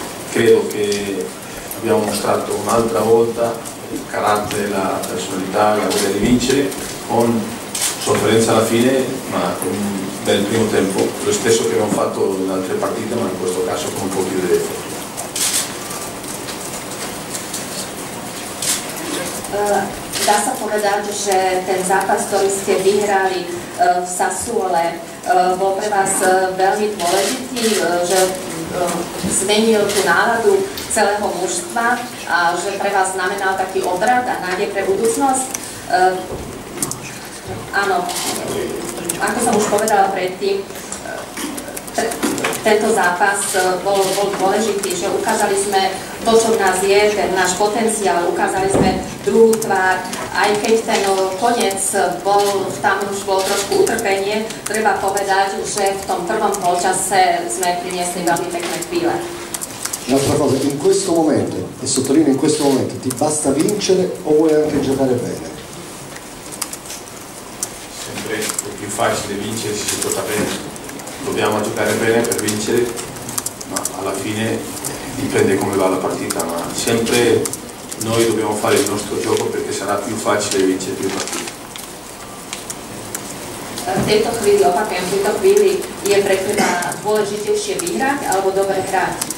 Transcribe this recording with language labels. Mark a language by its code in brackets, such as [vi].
[it] Credo che abbiamo mostrato un'altra volta il carattere, la personalità, la voglia di vincere, con sofferenza alla fine, ma con un bel primo tempo, lo stesso che abbiamo fatto in altre partite, ma in questo caso con un po' più di effort. [sk] Dá sa povedať, že ten zápas, ktorý ste vyhrali v Sassuole, bol pre vás veľmi dôležitý, že zmenil tú náladu celého mužstva a že pre vás znamenal taký obrat a nádej pre budúcnosť? Áno, ako som už povedala predtým, tento zápas bol dôležitý, že ukázali sme to, čo v nás je, ten náš potenciál, ukázali sme druhú tvár, aj keď ten koniec bol, tam už bolo trošku utrpenie, treba povedať, že v tom prvom polčase sme priniesli veľmi pekné chvíle. [it] Un'altra cosa, in questo momento, e sottolineo in questo momento, ti basta vincere o vuoi anche giocare bene? Sempre è più facile vincere se si gioca bene. Dobbiamo giocare bene per vincere, ma alla fine dipende come va la partita, ma sempre noi dobbiamo fare il nostro gioco perché sarà più facile vincere più partite. [sk] V tejto chvíli, opakujem, v tejto chvíli je pre teba dôležitejšie vyhrať alebo dobre hrať.